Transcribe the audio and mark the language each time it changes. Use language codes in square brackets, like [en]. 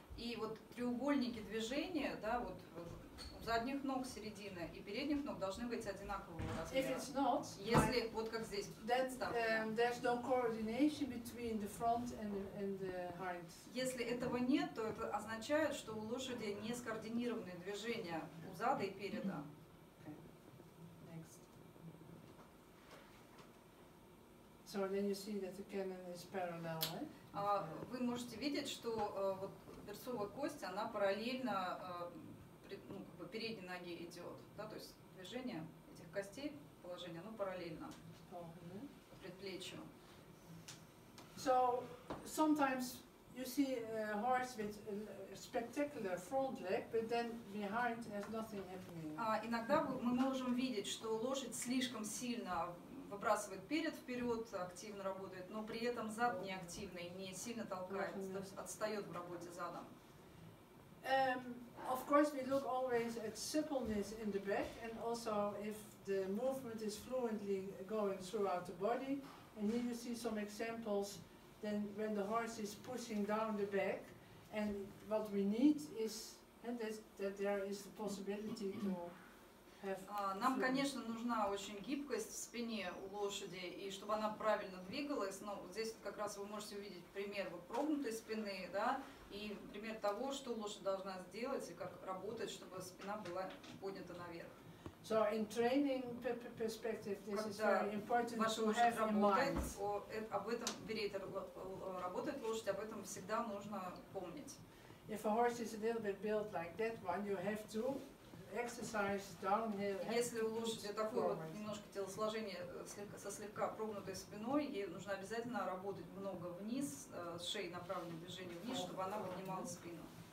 [ru] И вот треугольники движения, да, вот задних ног середина и передних ног должны быть одинакового размера. [en] If it's not, [ru] если вот как здесь, [en] then there's no coordination between the front and the hind. [ru] Если этого нет, то это означает, что у лошади не скоординированные движения у зада и переда. [en] So then you see that the cannon is parallel, right? [ru] Вы можете видеть, что вот берцовая кость, она параллельно передней ноге идет, да, то есть движение этих костей, положение, оно параллельно предплечью. [en] So sometimes you see a horse with a spectacular front leg, but then behind has nothing happening. [ru] Иногда мы можем видеть, что лошадь слишком сильно выбрасывает перед вперед, активно работает, но при этом зад не активный, не сильно толкает, то есть отстает в работе задом. [en] Of course, we look always at suppleness in the back, and also if the movement is fluently going throughout the body. And here you see some examples. Then when the horse is pushing down the back, and what we need is that there is the possibility to. [ru] Нам, конечно, нужна очень гибкость в спине у лошади, и чтобы она правильно двигалась, но вот здесь как раз вы можете увидеть пример вот прогнутой спины, да, и пример того, что лошадь должна сделать и как работать, чтобы спина была поднята наверх. [en] So in training perspective, this [ru] когда [en] is very important [ru] ваша лошадь работает, об этом берет, работает лошадь, об этом всегда нужно помнить. [en] If a horse is a little bit built like that one, you have to exercise downhill. [ru] Если у лошади такое вот немножко телосложение со слегка прогнутой спиной, ей нужно обязательно работать много вниз, с шеей направленное движение вниз, чтобы она поднимала спину.